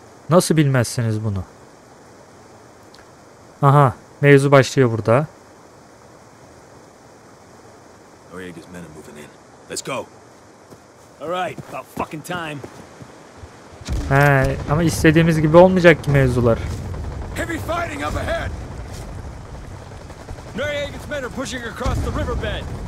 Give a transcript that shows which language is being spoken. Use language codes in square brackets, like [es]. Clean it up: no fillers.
[tr] Nasıl bilmezsiniz bunu? Aha, mevzu başlıyor burada. [en] Oriega's men are moving in. Let's go. All right, about fucking time. [tr] He, ama istediğimiz gibi olmayacak ki mevzular. [en] Heavy fighting up ahead. Noriega's men are pushing across the riverbed.